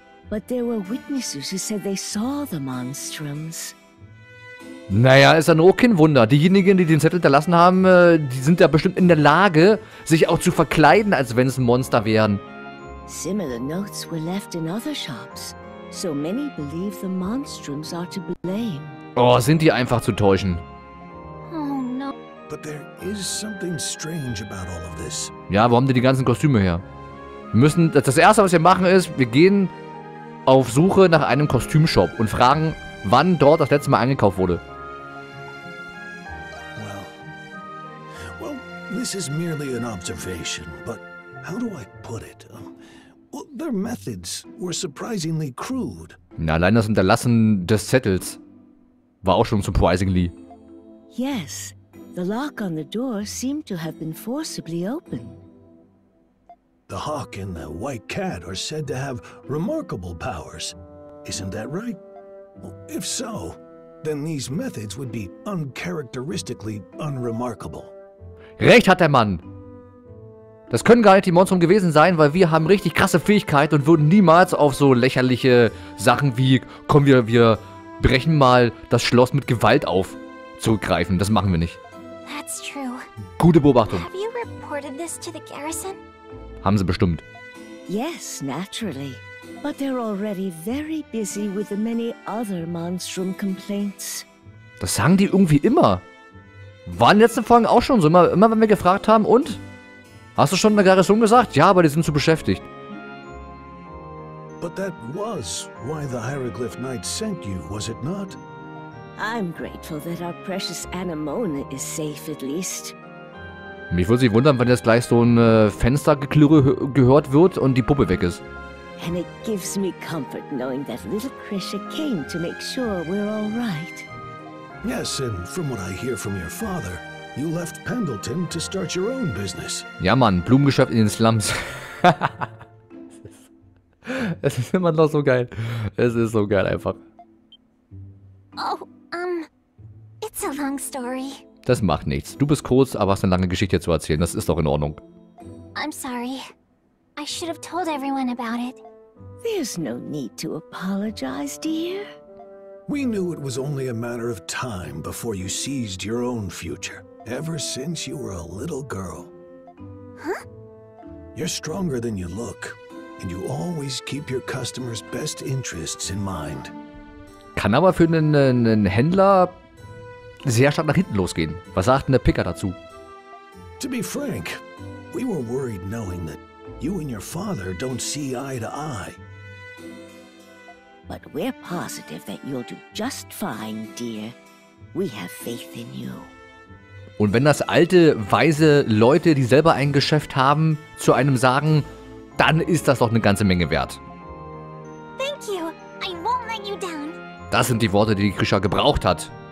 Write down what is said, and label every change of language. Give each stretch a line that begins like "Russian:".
English: But there were witnesses who said they saw the monstrums.
German: Naja, ist dann auch kein Wunder. Diejenigen, die den Zettel hinterlassen haben, die sind ja bestimmt in der Lage, sich auch zu verkleiden, als wenn es ein Monster wären.
English: Similar notes were left in other shops. So many believe the monstrums are to blame.
German: Oh, sind die einfach zu täuschen.
English: But there is something strange about all of this.
German: Ja, wo haben die ganzen Kostüme her? Wir müssen, das Erste, was wir machen, ist, wir gehen auf Suche nach einem Kostümshop und fragen, wann dort das letzte Mal eingekauft wurde.
English: Well, this is merely an observation, but how do I put it? Well, their methods were surprisingly crude.
German: Na, allein das Hinterlassen des Zettels war auch schon surprisingly.
English: Yes. The lock on the door seemed to have been forcibly open. The hawk and the white cat are said to have remarkable powers. Isn't that right? Well, if so, then these methods would be uncharacteristically unremarkable.
German: Recht hat der Mann. Das können gar nicht die Monstrum gewesen sein, weil wir haben richtig krasse Fähigkeiten und würden niemals auf so lächerliche Sachen wie komm, wir brechen mal das Schloss mit Gewalt auf zurückgreifen. Das machen wir nicht.
English: That's true.
German: Gute Beobachtung.
English: Have you reported this to the garrison?
German: Haben sie bestimmt.
English: Yes, naturally. But they're already very busy with the many other monstrum complaints.
German: Das sagen die irgendwie immer. Waren letzte Folgen auch schon so. Immer wenn wir gefragt haben, und? Hast du schon der Garrison gesagt? Ja, aber die sind zu beschäftigt.
English: But that was why the Hieroglyph Knight sent you, was it not? I'm grateful that our precious Anemone is safe at least.
German: Mich würde sich wundern, wenn jetzt gleich so ein Fenstergeklirre gehört wird und die Puppe weg ist.
English: And it gives me comfort knowing that little Krisha came to make sure we're all right. Yes, and from what I hear from your father, you left Pendleton to start your own business.
German: Ja Mann, Blumengeschäft in den Slums. Es ist immer noch so geil. Es ist so geil einfach.
English: Oh, it's a long story.
German: Das macht nichts. Du bist kurz, aber hast eine lange Geschichte zu erzählen. Das ist doch in Ordnung.
English: I'm sorry. I should have told everyone about it. There's no need to apologize, dear. We knew it was only a matter of time before you seized your own future. Ever since you were a little girl. Huh? You're stronger than you look. And you always keep your customers' best interests in mind.
German: Kann aber für einen Händler sehr stark nach hinten losgehen. Was sagt denn der Picker dazu?
English: To be frank, we were worried knowing that you and your father don't see eye to eye. but we're positive that you'll do just fine, dear. We have faith in you.
German: Und wenn das alte, weise Leute, die selber ein Geschäft haben, zu einem sagen, dann ist das doch eine ganze Menge wert.
English: Thank you. I won't let you down.
German: Das sind die Worte, die Krisha gebraucht hat.